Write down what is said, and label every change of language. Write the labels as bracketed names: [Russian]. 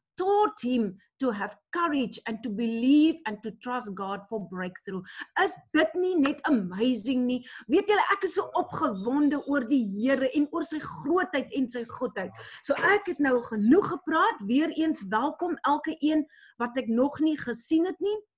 [English] taught him to have courage and to believe and to trust God for breakthrough. [Afrikaans] Is dit nie net amazing nie? Weet julle, ek is so opgewonde oor die Here en oor sy grootheid en sy goedheid. So ek het nou genoeg gepraat, weer eens welkom elke een wat ek nog nie gesien het nie.